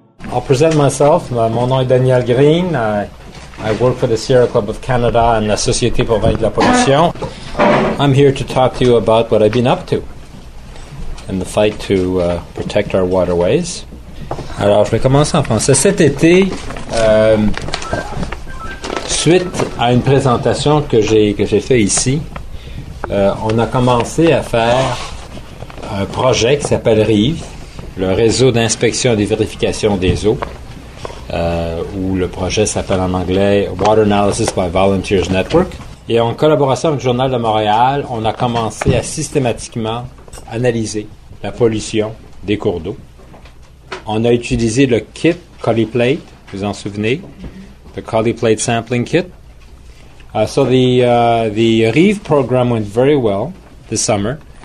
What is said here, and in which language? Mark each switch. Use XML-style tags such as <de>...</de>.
<en>I'll present myself.</en> <fr>Mon nom est Daniel Green.</fr> <en>I work for the Sierra Club of Canada and the Société Provinciale de la Pollution. I'm here to talk to you about what I've been up to in the fight to protect our waterways.</en> <fr>Alors, je vais commencer en français. Cet été, suite à une présentation que j'ai fait ici, on a commencé à faire un projet qui s'appelle RIVE, le réseau d'inspection et de vérification des eaux, où le projet s'appelle en anglais Water Analysis by Volunteers Network. Et en collaboration avec le Journal de Montréal, on a commencé à systématiquement analyser la pollution des cours d'eau. On a utilisé le kit CollyPlate, vous en souvenez?</fr> <en>The CollyPlate Sampling Kit. So the RIVE program went very well this summer.</en>